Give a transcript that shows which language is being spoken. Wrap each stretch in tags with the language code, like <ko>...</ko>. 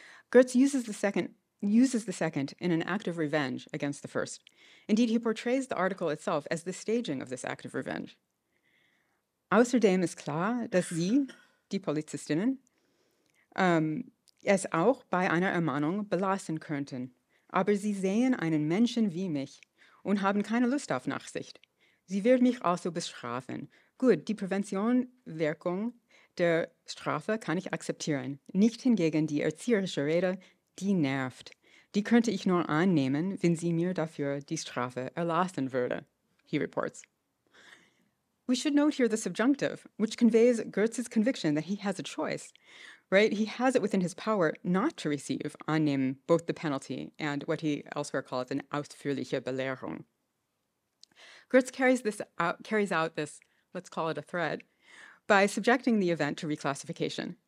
<en>Goetz uses the second in an act of revenge against the first. Indeed, he portrays the article itself as the staging of this act of revenge.</en> <de>Außerdem ist klar, dass Sie, die Polizistinnen, es auch bei einer Ermahnung belassen könnten. Aber Sie sehen einen Menschen wie mich und haben keine Lust auf Nachsicht. Sie wird mich also bestrafen. Gut, die Präventionwirkung der Strafe kann ich akzeptieren. Nicht hingegen die erzieherische Rede, die nervt. Die könnte ich nur annehmen, wenn sie mir dafür die Strafe erlassen würde,</de> <en>he reports. We should note here the subjunctive, which conveys Goetz's conviction that he has a choice, right? He has it within his power not to receive, annehmen, both the penalty and what he elsewhere calls an ausführliche Belehrung. Goetz carries out this, let's call it a threat, by subjecting the event to reclassification.</en>